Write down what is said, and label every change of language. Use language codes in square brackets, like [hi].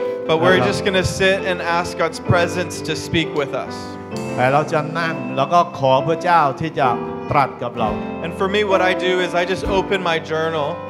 [en] But we're just gonna sit and ask God's presence to speak with us. [th] แต่เราจะนั่งแล้วก็ขอพระเจ้าที่จะตรัสกับเรา [en] And for me, what I do is I just open my journal.